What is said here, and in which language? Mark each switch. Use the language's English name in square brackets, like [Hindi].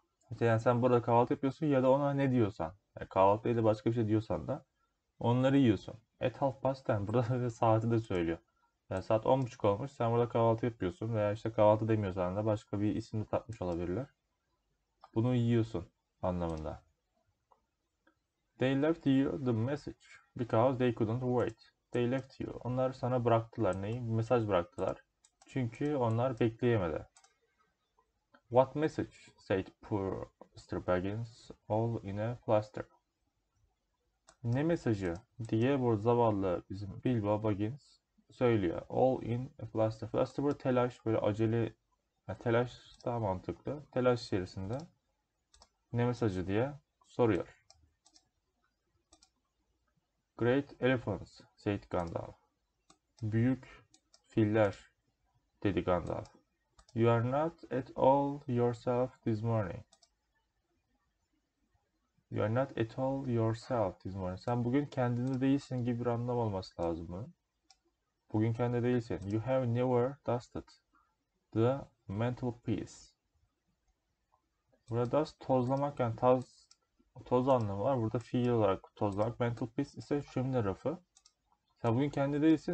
[Turkish] İşte yani sen burada kahvaltı yapıyorsun ya da ona ne diyorsan. Yani kahvaltı değil de başka bir şey diyorsan da onları yiyorsun. [English] At 10:30. [Turkish] Burada saati de söylüyor. Yani saat 10:30 olmuş. Sen burada kahvaltı yapıyorsun veya işte kahvaltı demiyorsan da başka bir isim de takmış olabilirler. Bunu yiyorsun anlamında. [English] They left you the message because they couldn't wait. They left you. [Turkish] Onlar sana bıraktılar neyi? Mesaj bıraktılar. Çünkü onlar bekleyemedi. [English] What message? Said poor Mr. Baggins, all in a fluster. [Turkish] Ne mesajı? Diye bu zavallı bizim Bilbo Baggins söylüyor. [English] All in a fluster. [Turkish] Fluster bu telaş, böyle acele. Yani telaş daha mantıklı. Telaş içerisinde. Ne mesajı diye soruyor. [English] Great elephants, said Gandalf. [Turkish] Büyük filler, dedi Gandalf. [English] You are not at all yourself this morning. You are not at all yourself this morning. [Turkish] Sen bugün kendinde değilsin gibi bir anlam olması lazım mı? Bugün kendinde değilsin. [English] You have never dusted the mantel piece. [Turkish] Burada dust tozlamak yani toz anlamı var. Burada fiil olarak tozlamak. Mantel piece ise şömine rafı. Sen bugün kendinde değilsin.